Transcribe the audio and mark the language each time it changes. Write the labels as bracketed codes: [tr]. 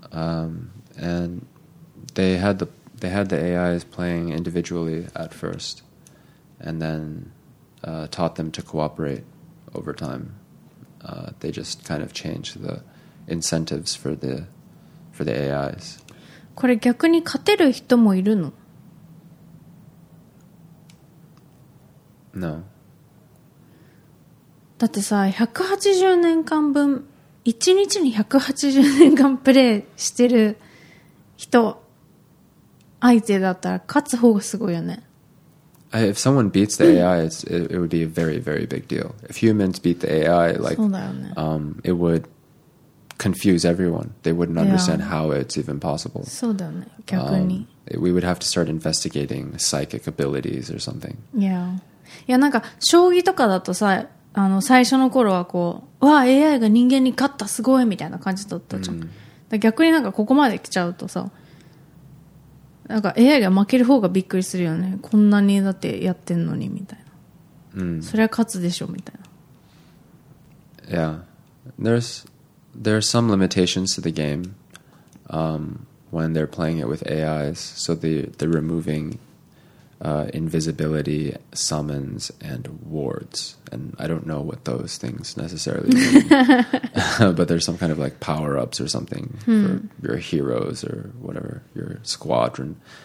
[en] And they had the AIs playing individually at first, and then taught them to cooperate over time. They just kind of changed the incentives for the AIs. [ja] これ逆に勝てる人もいるの? [en] No. [ja] だってさ、180年間分、1日に180年間プレイしてる人相手だったら勝つ方がすごいよね。 [en] If someone beats the AI, it would be a very, very big deal. If humans beat the AI, like, it would confuse everyone. They wouldn't understand how it's even possible. [ja] そうだね、逆に。 [en] We would have to start investigating psychic abilities or something. [ja] いや、なんか将棋とかだとさ、あの最初の頃はこう、わあ、AI が人間に勝った、すごいみたいな感じだったじゃん。だから逆になんかここまで来ちゃうとさ、なんか AI が負ける方がびっくりするよね。こんなにだってやってんのにみたいな。それは勝つでしょみたいな。 [en] Yeah. There are some limitations to the game, when they're playing it with AIs. So they're removing, invisibility, summons, and wards. And I don't know what those things necessarily mean. But there's some kind of like power-ups or something for your heroes or whatever, your squadron.